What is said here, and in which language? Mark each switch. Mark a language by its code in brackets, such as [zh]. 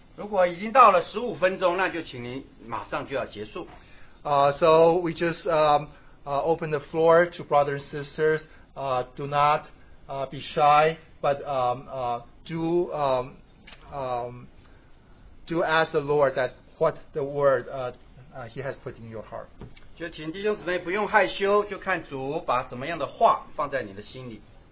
[zh] 如果已经到了15分钟, 那就请您马上就要结束。 [en] So we just open the floor to brothers and sisters. Do not be shy, but do ask the Lord that what the word he has put in your heart. [zh] 就请弟兄姊妹不用害羞, 就看主把什么样的话放在你的心里。